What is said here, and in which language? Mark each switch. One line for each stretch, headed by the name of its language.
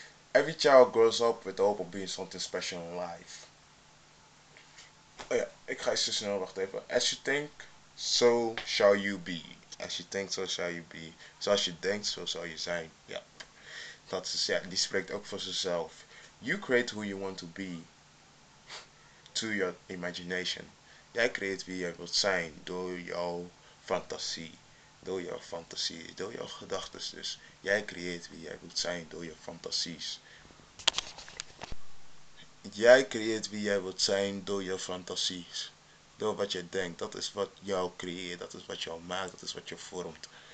English: Every child grows up with the hope of being something special in life.
Dutch: Oh ja, ik ga eens te snel, wacht even.
English: As you think, so shall you be. As you think, so shall you be.
Dutch: Zoals je denkt, zo zal je zijn. Ja. Dat is, ja, die spreekt ook voor zichzelf.
English: You create who you want to be. To your imagination.
Dutch: Jij creëert wie jij wilt zijn door jouw fantasie. Door jouw fantasie, door jouw gedachten dus. Jij creëert wie jij wilt zijn door je fantasies. Jij creëert wie jij wilt zijn door je fantasies. Door wat jij denkt, dat is wat jou creëert, dat is wat jou maakt, dat is wat je vormt.